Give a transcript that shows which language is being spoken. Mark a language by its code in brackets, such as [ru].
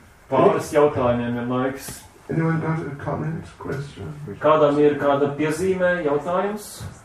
[lv] Pāris jautājumiem ir laiks. [en] Anyone got a comment, question? [lv] Kādam ir kāda piezīme, jautājums?